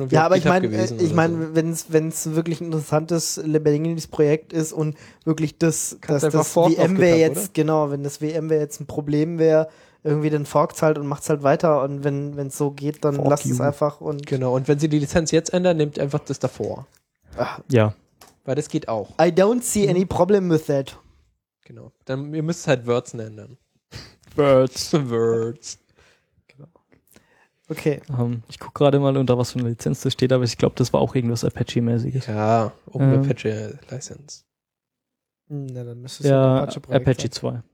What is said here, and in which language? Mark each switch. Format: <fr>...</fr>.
<de>ein Wirkliche. Ja, aber ich meine, wenn es wirklich ein interessantes, lebendiges Projekt ist und wirklich wenn das VMware jetzt ein Problem wäre, irgendwie den Fork zahlt und macht's halt weiter. Und wenn es so geht, dann lass es einfach. Und genau, und wenn sie die Lizenz jetzt ändern, nimmt einfach das davor. Ach. Ja. Weil das geht auch.</de> <en>I don't see any problem with that.</en> <de>Genau. Dann ihr müsst halt Words ändern. Words. Words. Okay. Ich guck gerade mal, unter was für eine Lizenz das steht, aber ich glaube, das war auch irgendwas Apache-mäßiges. Ja, Open Apache License. Na, dann müsstest du Apache 2.</de>